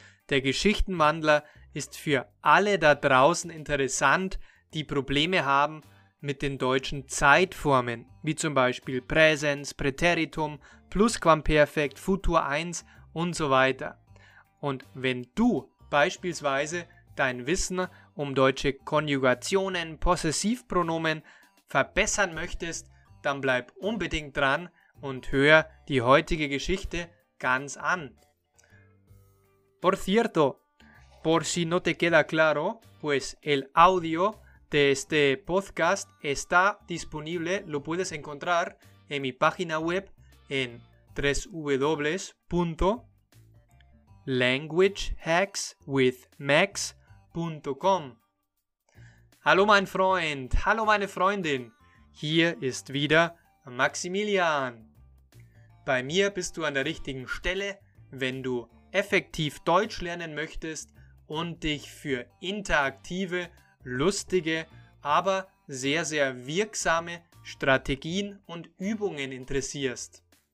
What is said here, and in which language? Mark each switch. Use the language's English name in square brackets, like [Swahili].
[German] Der Geschichtenwandler ist für alle da draußen interessant, die Probleme haben mit den deutschen Zeitformen, wie zum Beispiel Präsens, Präteritum, Plusquamperfekt, Futur 1 und so weiter. Und wenn du beispielsweise dein Wissen um deutsche Konjugationen, Possessivpronomen verbessern möchtest, dann bleib unbedingt dran und hör die heutige Geschichte ganz an. [Spanish] Por cierto, por si no te queda claro, pues el audio de este podcast está disponible, lo puedes encontrar en mi página web en www.languagehackswithmax.com. [German] Hallo mein Freund, hallo meine Freundin, hier ist wieder Maximilian. Bei mir bist du an der richtigen Stelle, wenn du effektiv Deutsch lernen möchtest und dich für interaktive, lustige, aber sehr, sehr wirksame Strategien und Übungen interessierst.